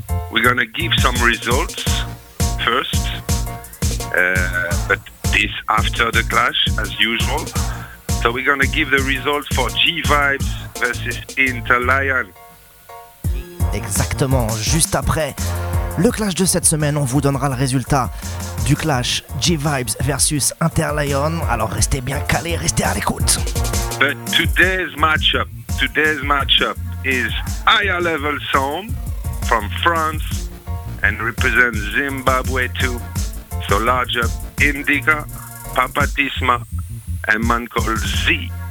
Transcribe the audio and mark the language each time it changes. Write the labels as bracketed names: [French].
[English] We're gonna give some results first, but this after the clash as usual. So we're gonna give the results for G Vibes versus Interlion. [French] Exactement, juste après le clash de cette semaine, on vous donnera le résultat du clash G-Vibes versus Interlion. Alors restez bien calés, restez à l'écoute. [English] But today's matchup is Higher Level Sound from France and represents Zimbabwe too. So large up Indica, Papatisma and man called Z.